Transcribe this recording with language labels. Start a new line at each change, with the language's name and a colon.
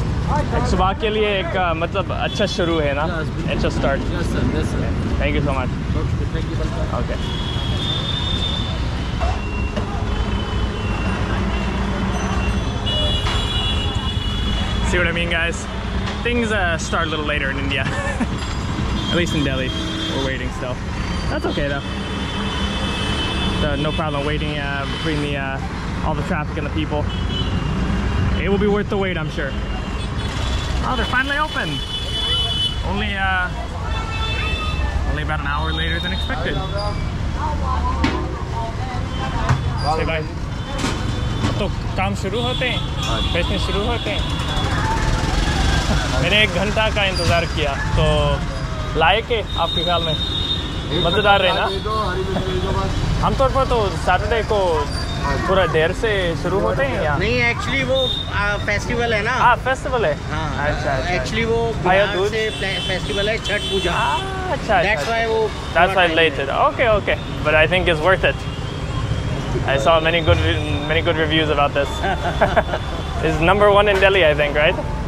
Hindi: एक सुबह के लिए एक मतलब अच्छा शुरू है ना अच्छा
English: Start thank you so much okay see what I mean guys things start a little later in India at least in Delhi we waiting still that's okay though no problem waiting between the all the traffic and the people it will be worth the wait I am sure Oh, they're finally open! Only about an hour later than expected. Say bye.
Hindi: तो काम शुरू होते हैं, बेचने शुरू होते हैं। मैंने एक घंटा का इंतजार किया, तो लायक है आपके ख्याल में, मजेदार है ना? हम तौर पर तो सैटरडे को पूरा देर से शुरू होते हैं यहाँ। नहीं एक्चुअली वो फेस्टिवल है ना। हाँ फेस्टिवल है। हाँ अच्छा। एक्चुअली वो बिहार से फेस्टिवल है छठ पूजा। अच्छा।
English: That's why
Hindi: वो।
English: That's why late
Hindi: है।
English: Okay okay, but I think it's worth it. I saw many good reviews about this. It's number one in Delhi, I think, right?